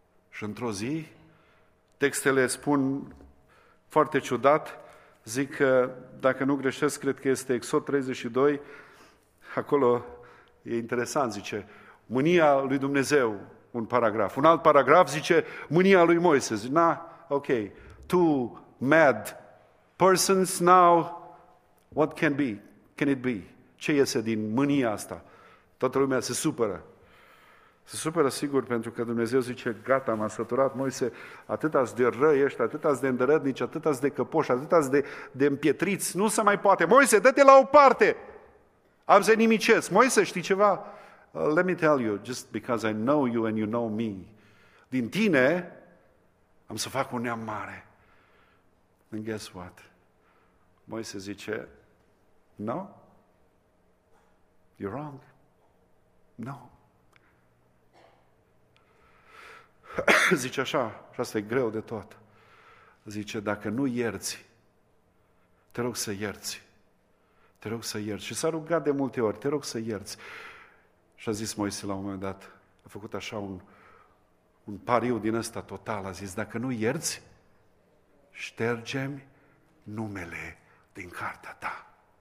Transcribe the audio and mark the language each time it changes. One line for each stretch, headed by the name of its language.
Romanian: Și într-o zi, textele spun foarte ciudat, zic că, dacă nu greșesc, cred că este Exod 32, acolo e interesant, zice, mânia lui Dumnezeu, un paragraf. Un alt paragraf zice, mânia lui Moise. Zice, na,
English: ok, two mad persons now, what can be, can it be?
Romanian: Ce iese din mânia asta? Toată lumea se supără. Se supără, sigur, pentru că Dumnezeu zice, gata, m-a săturat, Moise, atâta-s de răi ești, atâta-s de îndărădnici, atâta-s de căpoși, atâta-s de împietriți, nu se mai poate. Moise, dă-te la o parte! Am să nimicesc. Moise, știi ceva?
English: Let me tell you, just because I know you and you know me.
Romanian: Din tine am să fac un neam mare.
English: And guess what? Moise
Romanian: zice,
English: no, you're wrong, no.
Romanian: Zice așa, și asta e greu de tot. Zice, dacă nu ierți, te rog să ierți. Te rog să ierți. Și s-a rugat de multe ori, te rog să ierți. Și a zis Moise la un moment dat, a făcut așa un pariu din ăsta total. A zis, dacă nu ierți, ștergem numele din cartea ta.